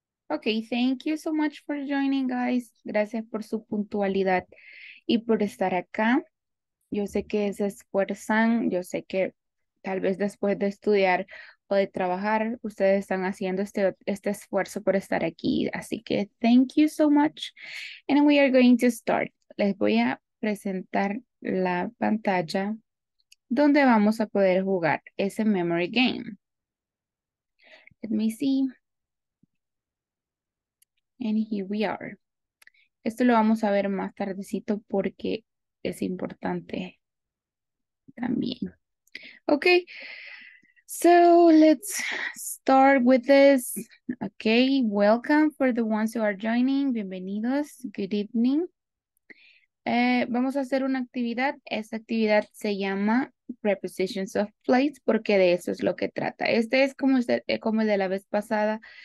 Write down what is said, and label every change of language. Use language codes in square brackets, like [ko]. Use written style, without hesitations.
[en] Okay, thank you so much for joining, guys. [es] Gracias por su puntualidad y por estar acá. Yo sé que se esfuerzan, yo sé que tal vez después de estudiar o de trabajar, ustedes están haciendo este esfuerzo por estar aquí. Así que [en] thank you so much. And we are going to start. [es] Les voy a presentar la pantalla donde vamos a poder jugar ese memory game. [en] Let me see. And here we are. [es] Esto lo vamos a ver más tardecito porque es importante también. [en] Okay, so let's start with this. Okay, welcome for the ones who are joining. [es] Bienvenidos, [en] good evening. [es] Vamos a hacer una actividad. Esta actividad se llama Prepositions of Place porque de eso es lo que trata. Este es como el de la vez pasada.